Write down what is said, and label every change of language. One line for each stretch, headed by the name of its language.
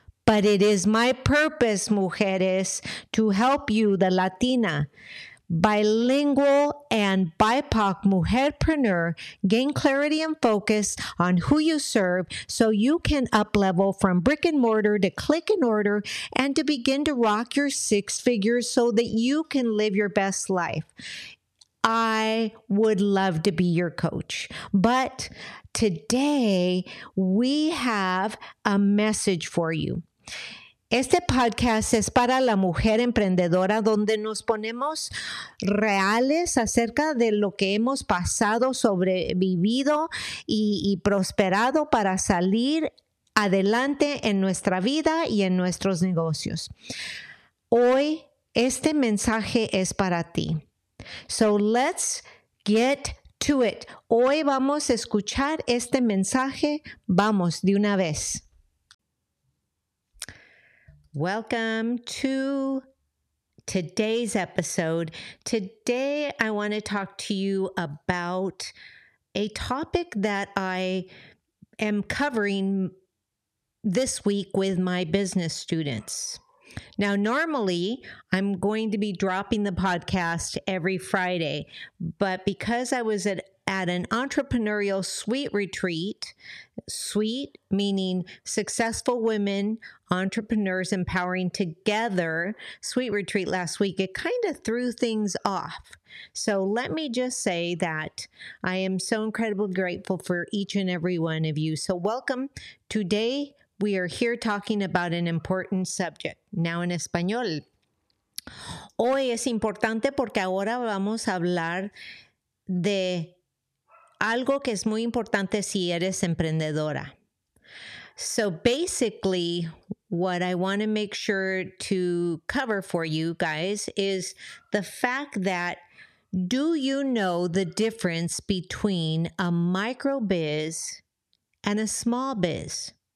English: But it is my purpose, mujeres, to help you, the Latina, bilingual and BIPOC mujerpreneur, gain clarity and focus on who you serve so you can up-level from brick and mortar to click and order and to begin to rock your six figures so that you can live your best life. I would love to be your coach, but today we have a message for you.
Spanish: Este podcast es para la mujer emprendedora donde nos ponemos reales acerca de lo que hemos pasado, sobrevivido y prosperado para salir adelante en nuestra vida y en nuestros negocios. Hoy este mensaje es para ti.
English: So let's get to it.
Spanish: Hoy vamos a escuchar este mensaje. Vamos de una vez.
English: Welcome to today's episode. Today, I want to talk to you about a topic that I am covering this week with my business students. Now, normally, I'm going to be dropping the podcast every Friday, but because I was at an entrepreneurial suite retreat, suite meaning successful women entrepreneurs empowering together, suite retreat last week, it kind of threw things off. So let me just say that I am so incredibly grateful for each and every one of you. So welcome. Today we are here talking about an important subject. Now in español.
Spanish: Hoy es importante porque ahora vamos a hablar de algo que es muy importante si eres emprendedora.
English: So basically, what I want to make sure to cover for you guys is the fact that, do you know the difference between a micro biz and a small biz?